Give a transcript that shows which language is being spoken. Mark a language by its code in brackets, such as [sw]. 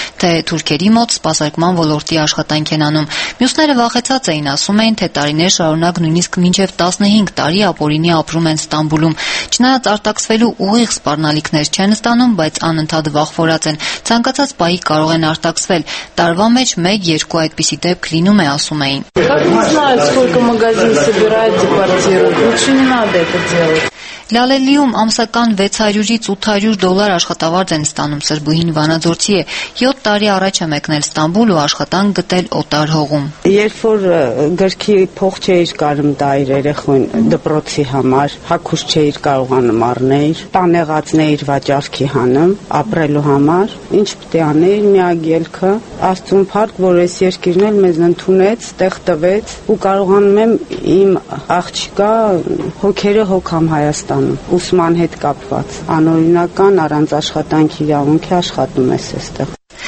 [hy] թե թուրքերի մոտ սպասարկման ոլորտի աշխատանք են անում։ Մյուսները վախեցած էին, ասում էին, թե տարիներ շարունակ նույնիսկ մինչև 15 տարի ապօրինի ապրում են Ստամբուլում։ Չնայած արտաքսվելու ուղիղ սպառնալիքներ չեն ստանում, բայց անընդհատ վախվորած են, ցանկացած պահի կարող են արտաքսվել։ Տարվա մեջ 1-2 այդպիսի դեպք լինում է, ասում էին։ [ru] Как узнать, сколько магазин собирает, депортирует? Лучше не надо это делать. [hy] Լալելիում ամսական 600-ից 800 դոլար աշխատավարձ են ստանում սրբուհին Վանաձորցի է։ 7 տարի առաջ է մեկնել Ստամբուլ ու աշխատանք գտել օտար հողում։ Երբ որ գրքի փող չէր կարում տալ երեխուն դպրոցի համար, հագուս չէր կարողանում առնել, տանեղացնել վաճառքի հանում ապրելու համար, ինչ պետք է անել, միակ ելքը Աստծուն փառք, որ այս երկիրն էլ մեզ ընդունեց, տեղ տվեց ու կարողանում եմ իմ աղջիկա հոգերը հոգամ Հայաստանում ուսման հետ կապված անօրինական առանց աշխատանքի իրավունքի աշխատում ես այստեղ։